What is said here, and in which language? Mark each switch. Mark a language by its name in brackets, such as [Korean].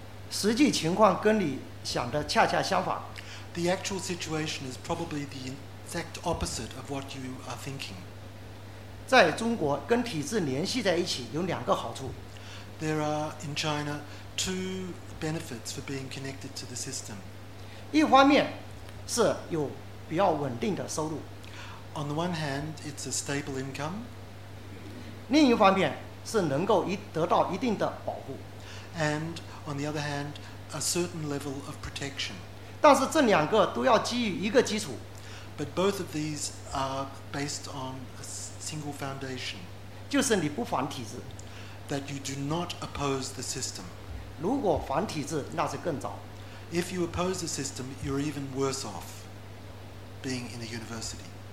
[Chinese] 实际情况跟你想的恰恰相反。 [English] The actual situation is probably the exact opposite of what you are thinking. [Chinese] 在中国跟体制联系在一起有两个好处。 [English] There are in China two benefits for being connected to the system. [Chinese] 一方面是有比较稳定的收入。 [English] On the one hand, it's a stable income. [Chinese] 另一方面是能够得到一定的保护。 [English] And on the other hand, a certain level of protection. [Chinese] 但是这两个都要基于一个基础。 [English] But both of these are based on a single foundation. [Chinese] 就是你不反体制。 [English] That you do not oppose the system. [Chinese] 如果反体制，那是更糟。 [English] If you oppose the system, you're even worse off being in a university.